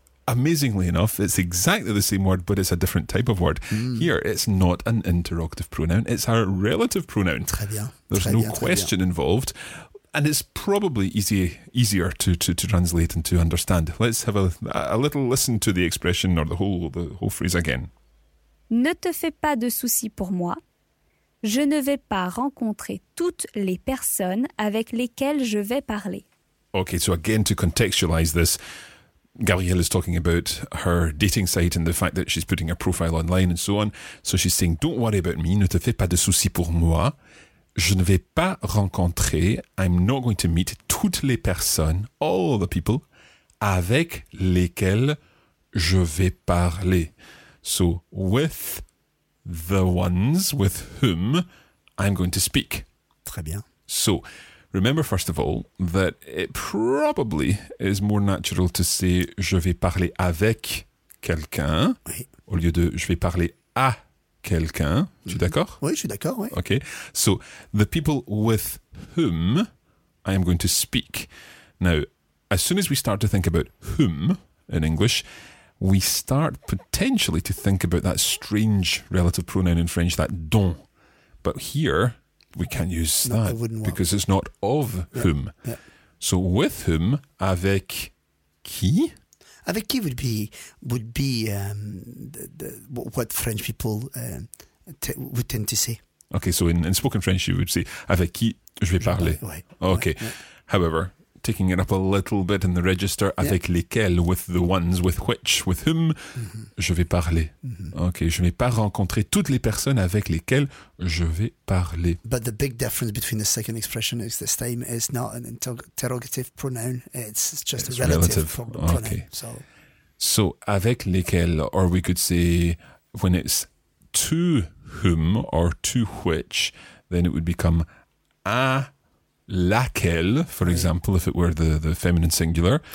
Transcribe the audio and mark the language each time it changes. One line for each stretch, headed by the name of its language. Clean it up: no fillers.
English: amazingly enough, it's exactly the same word, but it's a different type of word. Mm. Here, it's not an interrogative pronoun. It's a relative pronoun.
French: Très bien.
English: There's
French: très
English: no
French: bien,
English: question
French: très
English: involved. And it's probably easier to translate and to understand. Let's have a little listen to the expression or the whole phrase again.
French: Ne te fais pas de soucis pour moi. Je ne vais pas rencontrer toutes les personnes avec lesquelles je vais parler.
English: Okay, so again, to contextualize this, Gabrielle is talking about her dating site and the fact that she's putting her profile online and so on. So she's saying, don't worry about me,
French: ne te fais pas de soucis pour moi. Je ne vais pas rencontrer,
English: I'm not going to meet
French: toutes les personnes,
English: all the people,
French: avec lesquelles je vais parler.
English: So with the ones with whom I'm going to speak.
French: Très bien.
English: So... remember, first of all, that it probably is more natural to say
French: je vais parler avec quelqu'un oui. au lieu de je vais parler à quelqu'un. Mm-hmm. Tu es d'accord? Oui, je suis d'accord, oui.
English: Okay. So, the people with whom I am going to speak. Now, as soon as we start to think about whom in English, we start potentially to think about that strange relative pronoun in French, that don. But here... we can use that because it's not of whom. Yeah. So with whom, avec qui? Avec qui would be what French people would tend to say. Okay, so in spoken French, you would say
French: avec qui je vais parler. Ouais.
English: Okay,
French: ouais.
English: However, taking it up a little bit in the register,
French: avec lesquels,
English: with the ones, with which, with whom,
French: je vais parler.
English: Mm-hmm.
French: Okay, je ne vais pas rencontrer toutes les personnes avec lesquelles je vais parler.
English: But the big difference between the second expression is this time is not an interrogative pronoun, it's just a relative pronoun. Okay. So avec lesquels, or we could say when it's to whom or to which, then it would become
French: à laquelle,
English: for example, if it were the feminine singular.